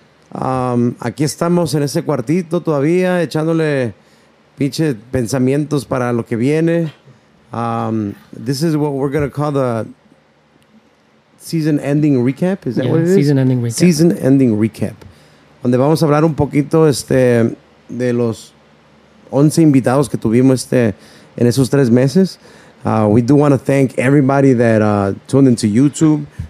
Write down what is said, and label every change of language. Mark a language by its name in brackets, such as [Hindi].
[Spanish] Aquí estamos en ese cuartito todavía echándole pinche pensamientos para lo que viene. [English] This is what we're going to call the season ending recap. Is that what it is? Season ending recap. Season ending recap. [Spanish] Donde vamos a hablar un poquito de los 11 invitados que tuvimos en esos tres meses. [English] We do want to thank everybody that tuned into YouTube.